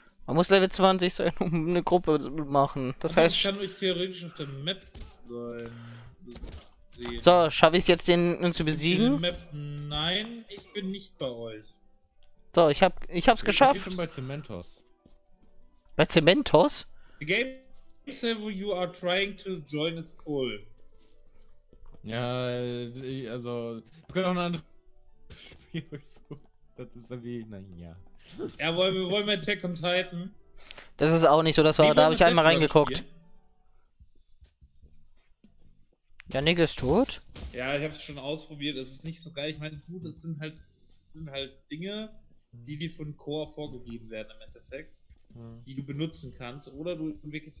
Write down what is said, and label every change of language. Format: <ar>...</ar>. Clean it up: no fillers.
<de>Man muss Level 20 sein, um eine Gruppe zu machen. Das heißt. Ich kann euch theoretisch auf der Map sein. So, schaffe ich es jetzt, den zu besiegen? Map? Nein, ich bin nicht bei euch. So, ich hab's geschafft. Ich bin schon bei Cementos. Bei Cementos?</de> <en>The game server you are trying to join is full.</en> <de>Ja, also. Wir können auch ein anderes Spiel euch so. Das ist irgendwie. Naja. Ja, wollen wir Attack on Titan? Das ist auch nicht so, das war, da habe ich einmal reingeguckt. Janik ist tot? Ja, ich habe es schon ausprobiert, es ist nicht so geil. Ich meine, gut, es sind halt Dinge, die von Core vorgegeben werden im Endeffekt, die du benutzen kannst, oder du entwickelst</de>